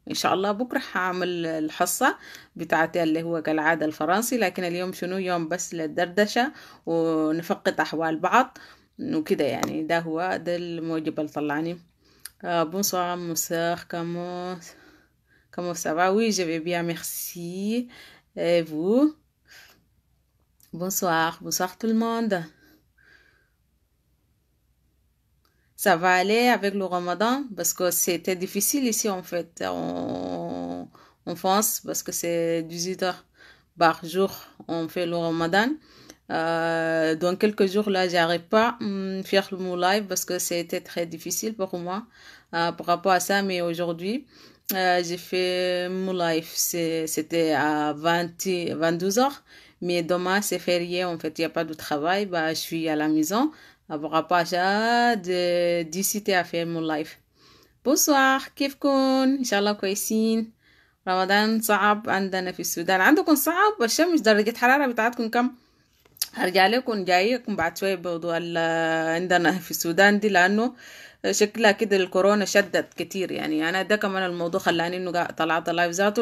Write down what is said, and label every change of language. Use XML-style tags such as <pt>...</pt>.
<ar>ان شاء الله بكرة هعمل الحصة بتاعتي اللي هو كالعادة الفرنسي، لكن اليوم شنو، يوم بس للدردشة ونفقد احوال بعض وكده، يعني ده هو ده الموجب اللي طلعني.</ar> <fr>بونسوار مساخ كمو سابا وي جافي بيان ميرسي اي فو. Bonsoir, bonsoir tout le monde. Ça va aller avec le Ramadan parce que c'était difficile ici en fait en France parce que c'est 18 heures par jour on fait le Ramadan. Dans quelques jours là, j'arrive pas faire le mon live parce que c'était très difficile pour moi par rapport à ça, mais aujourd'hui j'ai fait mon live. C'était à 22 heures. Mais demain, c'est férié, en fait, il n'y a pas de travail. Bah, je suis à la maison. Après, pas de décider à faire mon live. Bonsoir,</fr> <ar>kif koun? Inch'Allah, kouessin. Ramadan, صعب عندنا في السودان. عندكم صعب؟ الشمس درجة حرارة بتاعتكم كم؟ هرجع لكم جايكم بعد شوية بوضوء عندنا في السودان دي، لأنه شكلها كده الكورونا شدت كتير، يعني أنا ده كمان الموضوع خلاني إنه طلعت اللايف ذاته.</ar>